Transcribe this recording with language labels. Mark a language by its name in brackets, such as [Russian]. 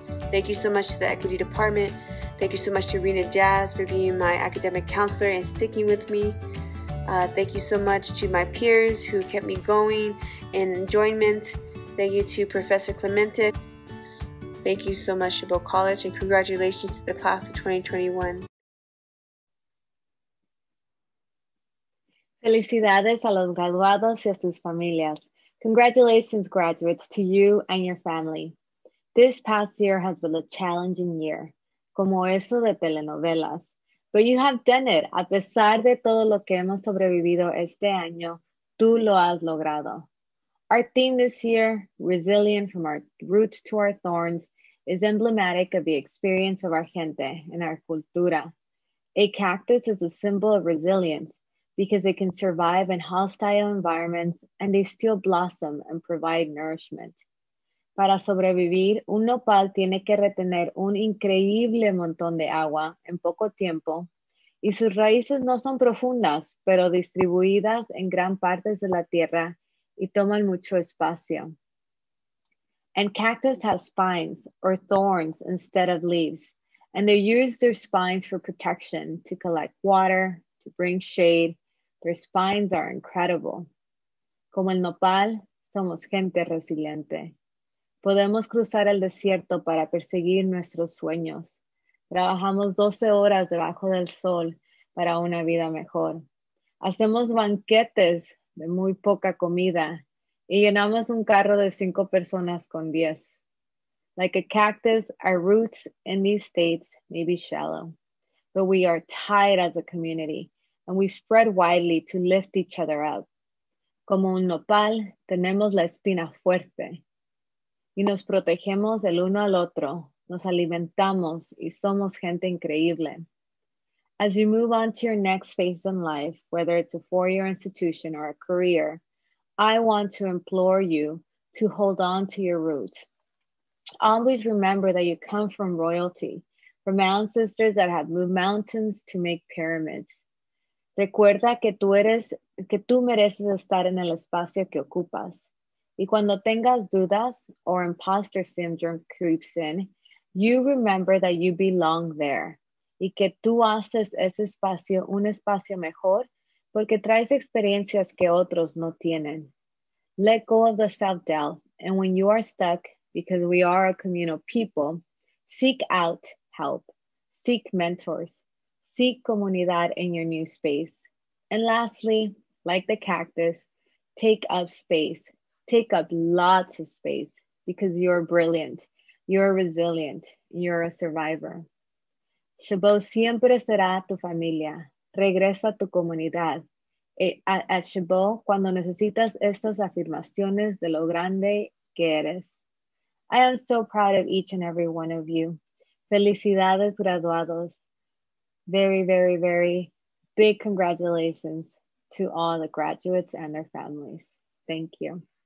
[English] Thank you so much to the Equity Department. Thank you so much to Rena Jazz for being my academic counselor and sticking with me. Thank you so much to my peers who kept me going in enjoyment. Thank you to Professor Clemente. Thank you so much, Chabot College, and congratulations to the class of 2021. [Spanish] Felicidades a los graduados y a sus familias. [English] Congratulations, graduates, to you and your family. This past year has been a challenging year, [Spanish] como eso de telenovelas. [English] But you have done it. [Spanish] A pesar de todo lo que hemos sobrevivido este año, tú lo has logrado. [English] Our theme this year, resilient from our roots to our thorns, is emblematic of the experience of our gente and our cultura. A cactus is a symbol of resilience because it can survive in hostile environments and they still blossom and provide nourishment. [Spanish] Para sobrevivir, un nopal tiene que retener un increíble montón de agua en poco tiempo, y sus raíces no son profundas, pero distribuidas en gran partes de la tierra y toman mucho espacio. [English] And cactus have spines or thorns instead of leaves, and they use their spines for protection, to collect water, to bring shade. Their spines are incredible. [Spanish] Como el nopal, somos gente resiliente. Podemos cruzar el desierto para perseguir nuestros sueños. Trabajamos 12 horas debajo del sol para una vida mejor. Hacemos banquetes de muy poca comida y llenamos un carro de 5 personas con 10. [English] Like a cactus, our roots in these states may be shallow, but we are tied as a community and we spread widely to lift each other up. [Spanish] Como un nopal, tenemos la espina fuerte. Y nos protegemos el uno al otro, nos alimentamos y somos gente increíble. [English] As you move on to your next phase in life, whether it's a four-year institution or a career, I want to implore you to hold on to your roots. Always remember that you come from royalty, from ancestors that have moved mountains to make pyramids. [Spanish] Recuerda que tú mereces estar en el espacio que ocupas. Y cuando tengas dudas [English] or imposter syndrome creeps in, you remember that you belong there. [Spanish] Y que tú haces ese espacio un espacio mejor porque traes experiencias que otros no tienen. [English] Let go of the self-doubt. And when you are stuck, because we are a communal people, seek out help. Seek mentors. Seek comunidad in your new space. And lastly, like the cactus, take up space. Take up lots of space because you're brilliant, you're resilient, you're a survivor. [Spanish] Chabot siempre será tu familia. Regresa a tu comunidad. At Chabot, cuando necesitas estas afirmaciones de lo grande que eres. [English] I am so proud of each and every one of you. [Spanish] Felicidades, graduados. [English] Very, very, very big congratulations to all the graduates and their families. Thank you.